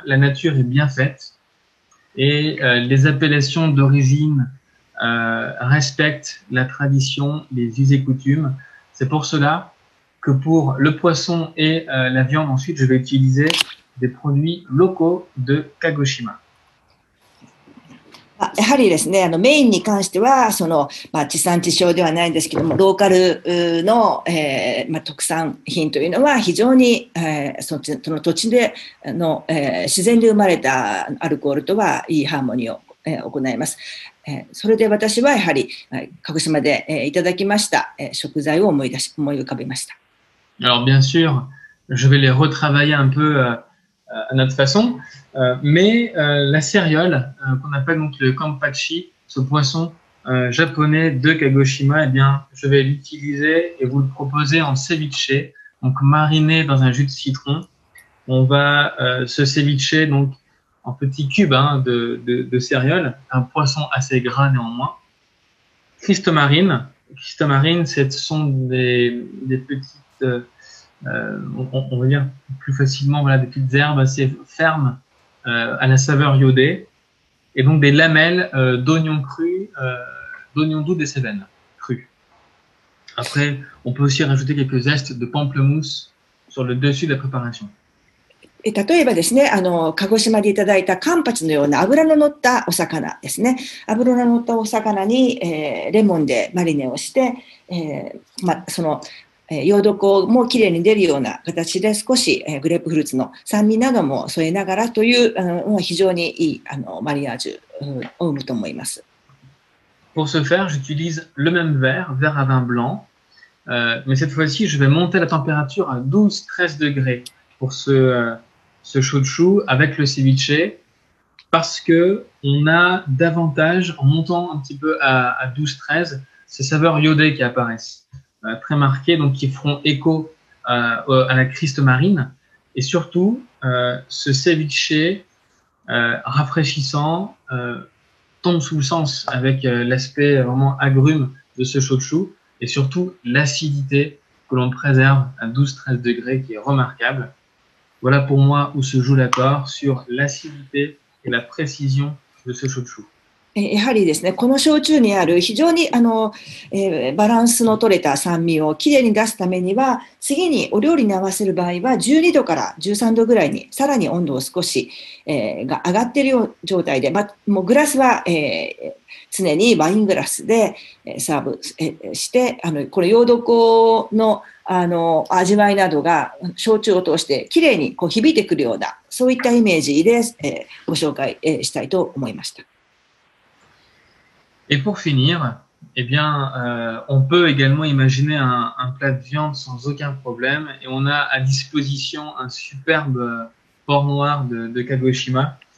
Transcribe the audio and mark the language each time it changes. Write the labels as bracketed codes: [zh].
[fr] La nature est bien faite et les appellations d'origine respectent la tradition, les us et coutumes. C'est pour cela que pour le poisson et la viande, ensuite, je vais utiliser des produits locaux de Kagoshima. [ja] やはりですね、あのメインに関してはその、まあ、地産地消ではないんですけども、ローカルの、特産品というのは非常に、その土地での、自然で生まれたアルコールとはいいハーモニーを、行います、それで私はやはり鹿児島で、いただきました、食材を思い浮かびました。 [fr] Alors bien sûr, je vais les retravailler un peu à notre façon. Mais la céréole, qu'on appelle donc le kanpachi, ce poisson japonais de Kagoshima, eh bien, je vais l'utiliser et vous le proposer en ceviche, donc mariné dans un jus de citron. On va se cevicher donc en petits cubes hein, de céréole, un poisson assez gras néanmoins. Cristomarine, ce sont des petites, on va dire plus facilement, voilà, des petites herbes assez fermes. À la saveur iodée, et donc des lamelles d'oignons crus, d'oignons doux des Cévennes, crus. Après, on peut aussi rajouter quelques zestes de pamplemousse sur le dessus de la préparation. [ja] 例えばですね、あの鹿児島でいただいたカンパチのような脂の乗ったお魚ですね。脂の乗ったお魚に、レモンでマリネをして、その溶毒もきれいに出るような形で少しグレープフルーツの酸味なども添えながらという非常にいいあのマリアージュを生むと思います。 [fr] Pour ce faire, j'utilise le même verre à vin blanc, mais cette fois-ci, je vais monter la température à 12-13 degrés pour ce chouchou avec le ceviche, parce qu'on a davantage, en montant un petit peu à 12-13, ces saveurs iodées qui apparaissent. Très marqués, donc qui feront écho à la cristomarine. Et surtout, ce ceviche rafraîchissant tombe sous le sens avec l'aspect vraiment agrume de ce shochu et surtout l'acidité que l'on préserve à 12-13 degrés qui est remarquable. Voilà pour moi où se joue l'accord sur l'acidité et la précision de ce shochu. [ja] やはりですね、この焼酎にある非常にあの、バランスの取れた酸味をきれいに出すためには、次にお料理に合わせる場合は12度から13度ぐらいにさらに温度を少し、が上がっている状態で、もうグラスは、常にワイングラスでサーブして、あのこの洋毒の、あの味わいなどが焼酎を通してきれいにこう響いてくるような、そういったイメージで、ご紹介、したいと思いました。 [fr] Et pour finir, eh bien, on peut également imaginer un plat de viande sans aucun problème. Et on a à disposition un superbe porc noir de Kagoshima.